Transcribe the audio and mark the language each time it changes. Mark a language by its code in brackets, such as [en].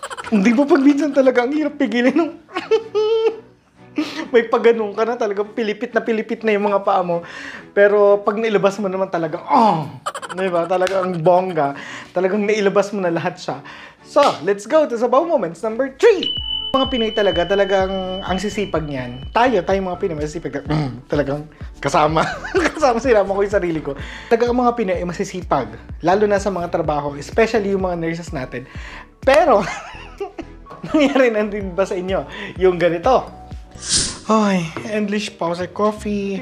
[tl] Hindi mo pag minsan talaga ang hirap pigilin ng... May pag-anong ka na talaga, pilipit na yung mga paa mo. Pero pag nilabas mo naman talaga, oh! Diba? Talaga ang bongga. Talagang nilabas mo na lahat siya. [en] So, let's go to Sabaw Moments number 3! [tl] Mga Pinoy talaga, talagang ang sisipag niyan. Tayo mga Pinoy, masisipag ka. Talagang kasama. Kasama sila mo ko yung sarili ko. Talagang mga Pinoy, masisipag. Lalo na sa mga trabaho, especially yung mga nurses natin. Pero, nangyari na din ba sa inyo yung ganito? Ay, endless pause at coffee.